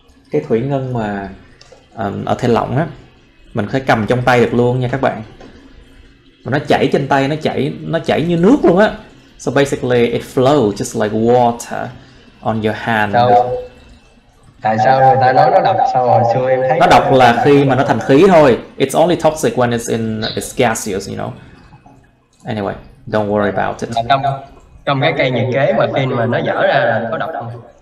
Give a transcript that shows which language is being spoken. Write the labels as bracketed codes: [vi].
[vi] Cái thủy ngân mà ở thể lỏng á, mình có thể cầm trong tay được luôn nha các bạn. nó chảy trên tay, nó chảy như nước luôn á. [en] So basically it flows just like water on your hand. [vi] Sao? Tại sao người ta nói nó độc? Sao hồi xưa em thấy nó độc là khi mà nó thành khí thôi. [en] It's only toxic when it's in its gaseous, you know. Anyway, don't worry about it. [vi] Trong cái cây nhiệt kế mà khi mà nó dở ra là có độc không?